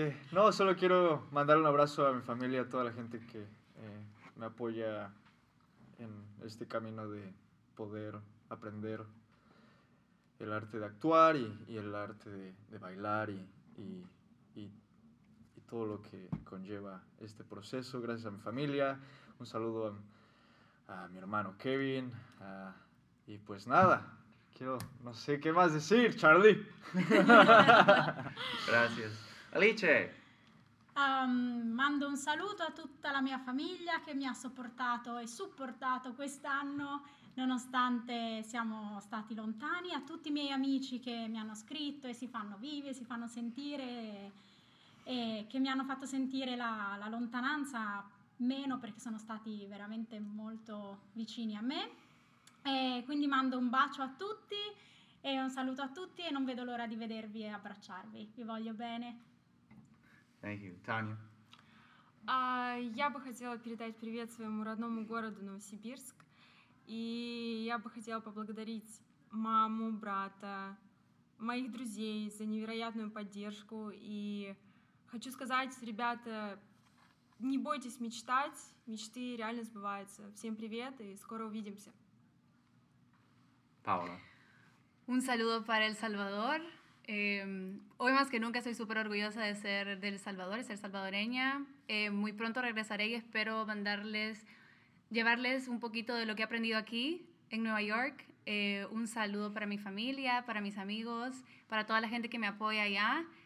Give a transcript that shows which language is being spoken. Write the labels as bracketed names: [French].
[Spanish] No, solo quiero mandar un abrazo a mi familia, a toda la gente que me apoya en este camino de poder aprender el arte de actuar y el arte de bailar y todo lo que conlleva este proceso. Gracias a mi familia. Un saludo a mi hermano Kevin, a y pues nada, quiero, no sé qué más decir, Charlie. Gracias. Alice. [Italian] Mando un saluto a tutta la mia famiglia che mi ha sopportato e supportato quest'anno, nonostante siamo stati lontani, a tutti i miei amici che mi hanno scritto e si fanno vivi, si fanno sentire, e che mi hanno fatto sentire la lontananza meno perché sono stati veramente molto vicini a me. E quindi mando un bacio a tutti e un saluto a tutti e non vedo l'ora di vedervi e abbracciarvi. Vi voglio bene. [English] Thank you. Tanya. [Russian] Я бы хотела передать привет своему родному городу Новосибирск. И я бы хотела поблагодарить маму, брата, моих друзей за невероятную поддержку. И хочу сказать, ребята, не бойтесь мечтать. Мечты реально сбываются. Всем привет и скоро увидимся. [Spanish] Paola. Un saludo para El Salvador. Hoy más que nunca estoy súper orgullosa de ser de El Salvador, de ser salvadoreña. Muy pronto regresaré y espero llevarles un poquito de lo que he aprendido aquí en Nueva York. Un saludo para mi familia, para mis amigos, para toda la gente que me apoya allá.